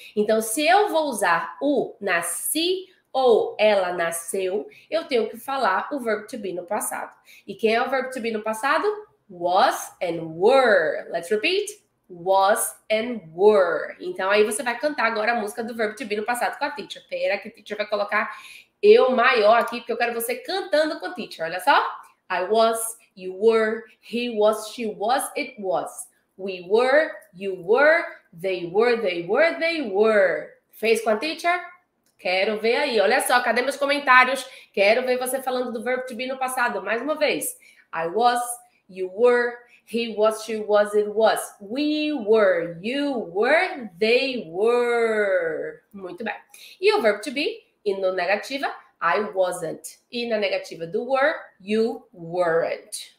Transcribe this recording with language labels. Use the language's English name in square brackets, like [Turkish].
[Portuguese] Então, se eu vou usar o nasci ou ela nasceu, eu tenho que falar o verbo to be no passado. E quem é o verbo to be no passado? [English] Was and were. Let's repeat. Was and were. [Portuguese] Então, aí você vai cantar agora a música do verbo to be no passado com a teacher. Pera que a teacher vai colocar eu maior aqui, porque eu quero você cantando com a teacher. Olha só. [English] I was, you were, he was, she was, it was. We were, you were, they were, they were, they were. [Portuguese] Fez com a teacher? Quero ver aí. Olha só. Cadê meus comentários? Quero ver você falando do verbo to be no passado. Mais uma vez. [English] I was, you were, he was, she was, it was. We were, you were, they were. [Portuguese] Muito bem. E o verbo to be, e no negativa, I wasn't. E na negativa do were, you weren't.